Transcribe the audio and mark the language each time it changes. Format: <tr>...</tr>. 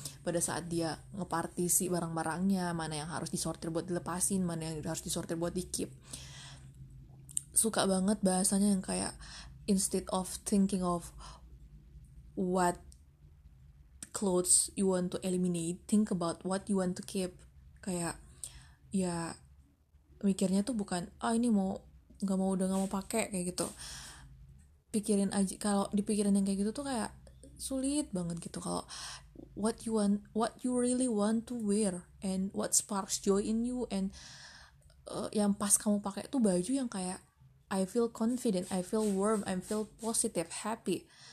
<id>Pada saat dia ngepartisi barang-barangnya, mana yang harus disortir buat dilepasin, mana yang harus disortir buat dikip. Suka banget bahasanya yang kayak</id> <en>instead of thinking of what clothes you want to eliminate, think about what you want to keep.</en> <id>Kayak ya mikirnya tuh bukan ah ini mau nggak mau udah nggak mau pakai kayak gitu. Pikirin aja, kalau dipikirin yang kayak gitu tuh kayak sulit banget gitu.</id> <en>Kalau what you really want to wear and what sparks joy in you and</en> <id>yang pas kamu pakai tuh baju yang kayak</id> <en>I feel confident, I feel warm, I feel positive, happy.</en>